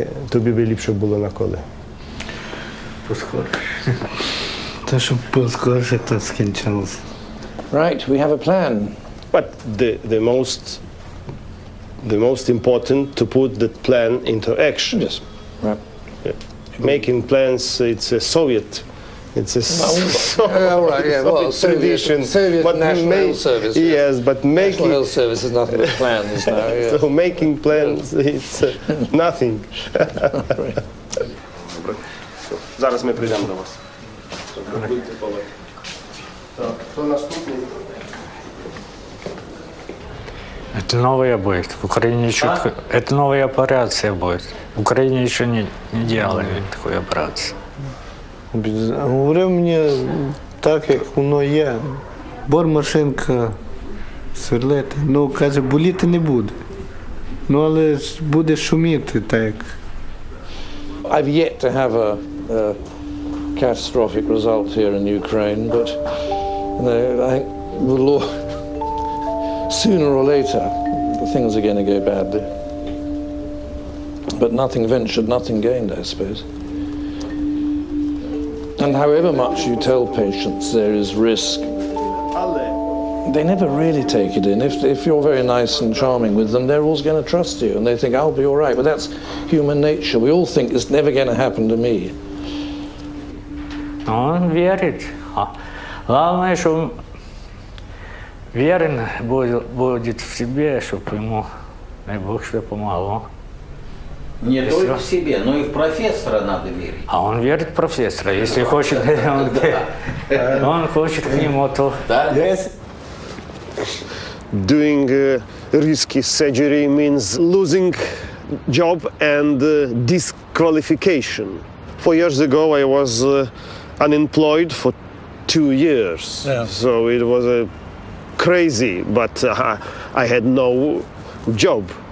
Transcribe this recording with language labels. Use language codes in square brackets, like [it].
[uk] Тобі би ліпше було на коли? Поскорше. Те, щоб поскорше, то скінчилося. [en] Right, we have a plan. But the most important to put that plan into action. Yes. Right. Yeah. Making plans, it's a Soviet. It's a Soviet tradition. Soviet National Health Service. Yes, yeah. But making... National Health Service is nothing but plans now. Yeah. So making plans, it's nothing. [uk] Зараз ми прийдемо до вас. [ru] Это новый объект. В Украине еще... Это новая операция будет. В Украине еще не делали такую операцию. [uk] Говорив мені так, як воно є. Бор машинка, сверлити. Ну, каже, боліти не буде. Ну, але ж буде шуміти так. [en] I've yet to have a catastrophic result here in Ukraine, but you know, I think the law sooner or later things are gonna go badly. But nothing ventured, nothing gained, I suppose. And however much you tell patients there is risk, they never really take it in. If you're very nice and charming with them, they're always going to trust you, and they think, I'll be all right. But that's human nature. We all think it's never going to happen to me. [ru] Он верит. Главное, що верен будет в себе, щоб йому дай Бог що помогло. Не только в себе, но и в профессора надо верить. А он верит в профессора, если хочет, он хочет к нему, то... [en] Doing risky surgery means losing job and disqualification. 4 years ago I was unemployed for 2 years. Yeah. So it was crazy, but I had no job.